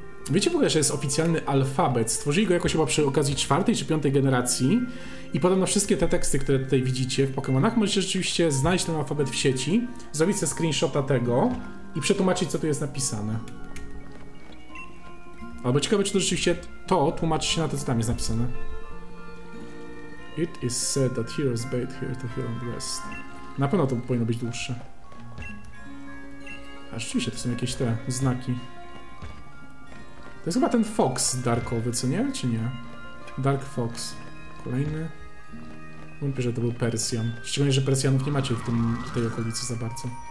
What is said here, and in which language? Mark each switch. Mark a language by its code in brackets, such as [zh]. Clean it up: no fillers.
[pl] Wiecie w ogóle, że jest oficjalny alfabet? Stworzyli go jakoś chyba przy okazji czwartej czy piątej generacji i podobno wszystkie te teksty, które tutaj widzicie w Pokémonach, możecie rzeczywiście znaleźć ten alfabet w sieci, zrobić sobie screenshota tego i przetłumaczyć, co tu jest napisane. Albo ciekawe, czy to rzeczywiście to tłumaczy się na to, co tam jest napisane. [en] It is said that heroes bait here to heal and rest. [pl] Na pewno to powinno być dłuższe. A rzeczywiście, to są jakieś te znaki. To jest chyba ten Fox Darkowy, co nie? Czy nie? Dark Fox. Kolejny. Wątpię, że to był Persian. Szczególnie, że Persjanów nie macie w tej okolicy za bardzo.